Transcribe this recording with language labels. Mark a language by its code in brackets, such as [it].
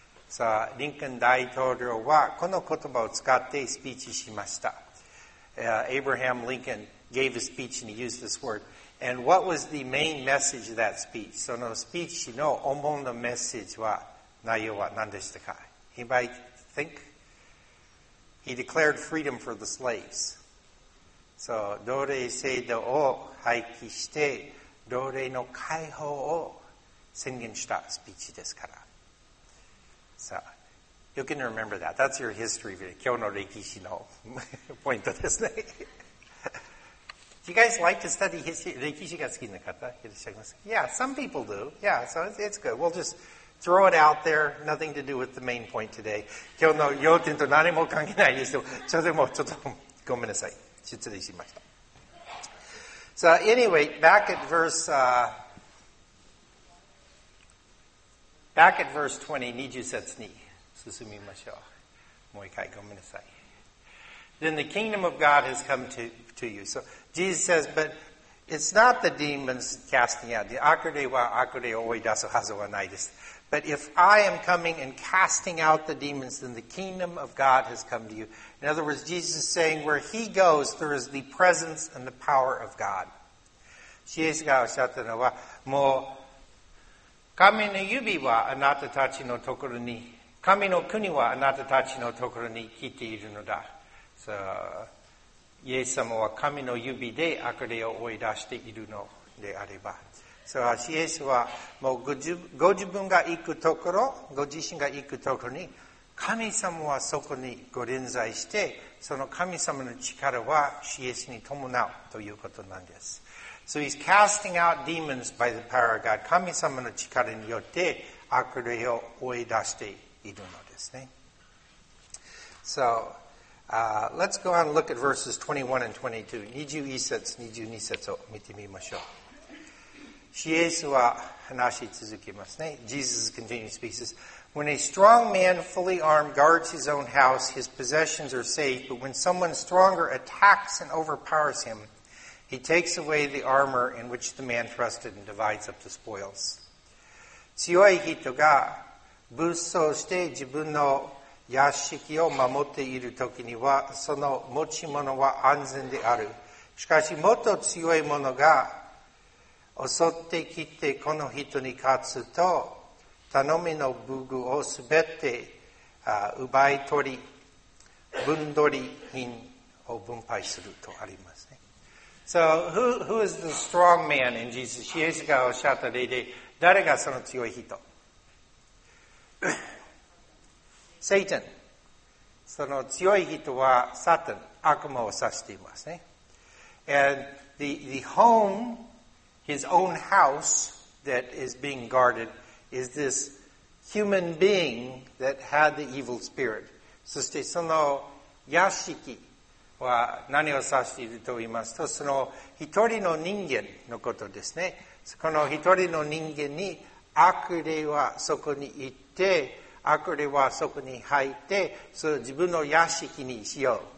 [ja] さあ、リンカン大統領はこの言葉を使ってスピーチしました。 [en] Abraham Lincoln gave a speech and he used this word. And what was the main message of that speech? [ja] そのスピーチの主なメッセージは、内容は何でしたか? [en] Anybody think? He declared freedom for the slaves. [ja] So, 奴隷制度を廃棄して、奴隷の解放を宣言したスピーチですから。 [en] So, you can remember that. That's your history. [ja] 今日の歴史のポイントですね。 [en] Do you guys like to study history? [ja] 歴史が好きな方いらっしゃいますか? [en] Yeah, some people do. Yeah, so it's good. We'll just throw it out there. Nothing to do with the main point today. [ja] 今日の要点と何も関係ないですよ。それでもちょっとごめんなさい。失礼しました。 [en] So, anyway, back at verse 20, [ja] 20節に進みましょう。もう一回ごめんなさい。 [en] Then the kingdom of God has come to you. So Jesus says, but it's not the demons casting out. [ja] 悪霊は悪霊を追い出すはずはないです。 [en] But if I am coming and casting out the demons, then the kingdom of God has come to you. In other words, Jesus is saying, where he goes, there is the presence and the power of God. [ja] イエスがおっしゃったのは、もう神の指はあなたたちのところに、神の国はあなたたちのところに来ているのだ。 So, イエス様は神の指で悪霊を追い出しているのであれば。 So, イエスはもうご自分が行くところ、ご自身が行くところに、神様はそこにご臨在して、その神様の力はイエスに伴うということなんです。 [en] So he's casting out demons by the power of God. [ja] 神様の力によって悪霊を追い出しているのですね。 [en] So, let's go on and look at verses 21 and 22. [ja] 21節、22節を見てみましょう。シエスは話し続けますね。 [en] Jesus continues to speak. When a strong man fully armed guards his own house, his possessions are safe. But when someone stronger attacks and overpowers him,He takes away the armor in which the man trusted and divides up the spoils. [ja] 強い人が武装して自分の屋敷を守っているときには、その持ち物は安全である。しかし、もっと強い者が襲ってきてこの人に勝つと、頼みの武具をすべて奪い取り、分取り品を分配するとあります。 [en] So, who is the strong man in Jesus? [ja] イエスがおっしゃった例で、誰がその強い人? [en] Satan. [ja] その強い人は、サタン、悪魔を指していますね。 [en] And the home, his own house that is being guarded, is this human being that had the evil spirit. [ja] そしてその屋敷、は何を指していると言いますと、その一人の人間のことですね。この一人の人間に悪霊はそこに行って、悪霊はそこに入って、その自分の屋敷にしよう。